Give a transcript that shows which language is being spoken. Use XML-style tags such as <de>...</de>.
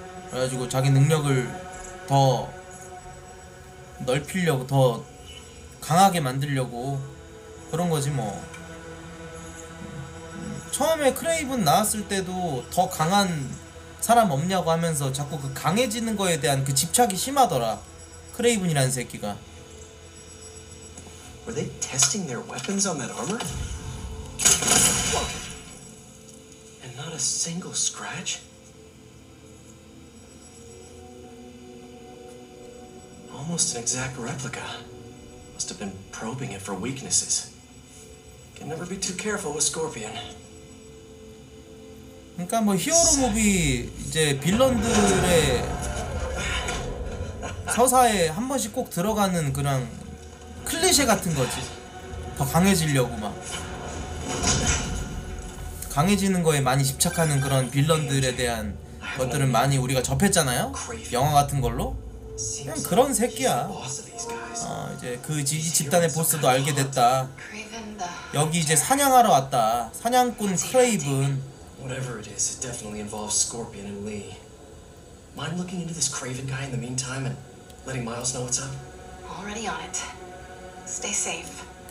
<ko>그래가지고 자기 능력을 더 넓히려고, 더 강하게 만들려고 그런 거지 뭐. 처음에 크레이븐 나왔을 때도 더 강한 사람 없냐고 하면서 자꾸 그 강해지는 거에 대한 그 집착이 심하더라. 크레이븐이라는 새끼가.</ko> <en>Were they testing their weapons on that armor? Look. And not a single scratch? Almost an exact replica. Must have been probing it for weaknesses. Can never be too careful with Scorpion.</en> <ko>그러니까 뭐 히어로 무비 이제 빌런들의 서사에 한 번씩 꼭 들어가는 그런 클리셰 같은 거지. 더 강해지려고 막 강해지는 거에 많이 집착하는 그런 빌런들에 대한 것들을 많이 우리가 접했잖아요. 영화 같은 걸로. 그냥 그런 새끼야. 이제 그 지지 집단의 보스도 알게 됐다. 여기 이제 사냥하러 왔다. 사냥꾼 크레이븐.</ko> <en>Whatever it is, it definitely involves Scorpion and Lee. Mind looking into this Craven guy in the meantime and letting Miles know what's up? Already on it. Stay safe.</en>